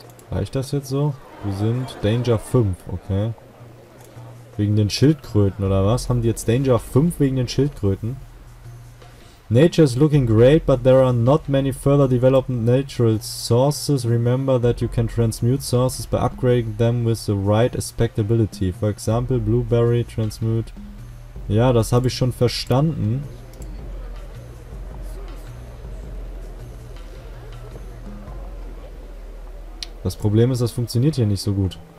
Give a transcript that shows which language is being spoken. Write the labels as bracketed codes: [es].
[de] Reicht das jetzt so? Wir sind Danger 5, okay. Wegen den Schildkröten oder was? Haben die jetzt Danger 5 wegen den Schildkröten? [en] Nature is looking great, but there are not many further developed natural sources. Remember that you can transmute sources by upgrading them with the right aspect ability. For example, blueberry transmute. [de] Ja, das habe ich schon verstanden. Das Problem ist, das funktioniert hier nicht so gut.